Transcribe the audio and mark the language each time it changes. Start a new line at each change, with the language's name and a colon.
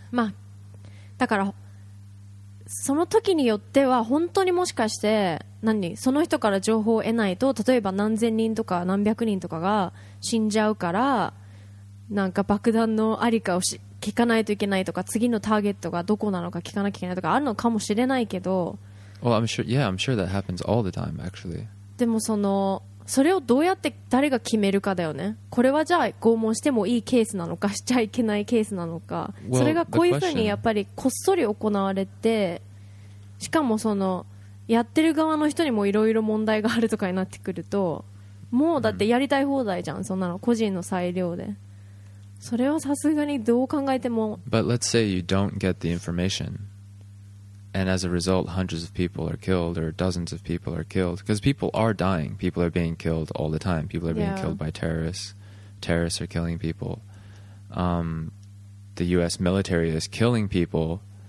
Japanese: まあだからその時によっては本当にもしかして何その人から情報を得ないと、例えば何千人とか何百人とかが死んじゃうから、なんか爆弾のありかを聞かないといけないとか、次のターゲットがどこなのか聞かなきゃいけないとかあるのかもしれないけど、
English: Well, I'm sure, yeah, I'm sure that happens all the time, actually.
Japanese: でもそのそれをどうやって誰が決めるかだよね。これはじゃあ拷問してもいいケースなのか、しちゃいけないケースなのか。
English: Well,
Japanese: それがこういうふうにやっぱりこっそり行われて、しかもそのやってる側の人にもいろいろ問題があるとかになってくると、もうだってやりたい放題じゃん、そんなの個人の裁量で。それはさすがにどう考えても。
English: But let's say you don't get the information. And as a result, hundreds of people are killed or dozens of people are killed. Because people are dying. People are being killed all the time. People are being killed by terrorists. Terrorists are killing people. The U.S. military is killing people.